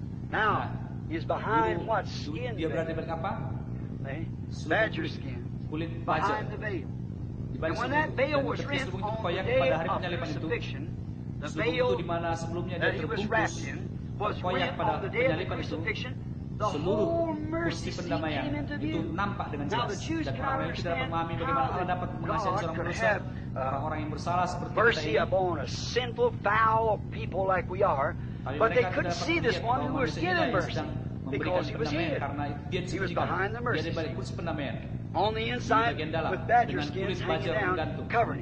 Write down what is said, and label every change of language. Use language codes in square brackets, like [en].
[en] Now, he's behind what skin? [id] Dia berada di balik apa? [en] Badger skin. [id] Kulit badger. Di balik selubung itu koyak pada hari penyalipan itu. Selubung itu di mana sebelumnya dia terbungkus koyak pada penyalipan itu. Seluruh mercy pendamaian itu nampak dengan jelas. Dan orang yang tidak memahami bagaimana Allah dapat mengasihi seorang dosa, orang-orang yang bersalah seperti [en] mercy [id] kita ini, [en] sinful, foul people like we are, but they couldn't see this one who was given mercy because he was here. [id] Karena dia disucikan, dia di balik kursi pendamaian. [en] On the inside, [id] di dalam, [en] with badger skins hanging down, covering.